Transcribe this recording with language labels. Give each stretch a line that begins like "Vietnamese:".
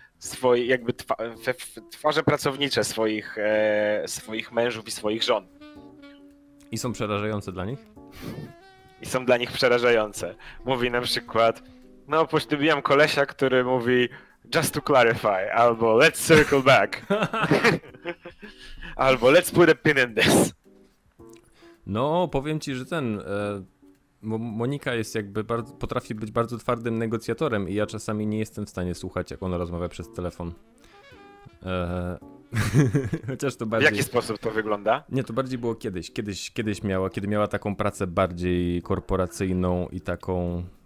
Polish: Swoje, jakby twarze pracownicze swoich mężów i swoich żon. I są przerażające dla nich? I są dla nich przerażające. Mówi na przykład, no poślubiłem kolesia, który mówi
English: just to clarify,
Polish: albo
English: let's circle back.
Polish: Albo
English: let's put a pin in this.
Polish: No, powiem ci, że ten... Monika jest jakby potrafi być bardzo twardym negocjatorem i ja czasami nie jestem w stanie słuchać, jak ona rozmawia przez telefon. Chociaż to bardziej... W jaki sposób to wygląda? Nie, to bardziej było kiedyś. Kiedyś miała, kiedy miała taką pracę bardziej korporacyjną i taką...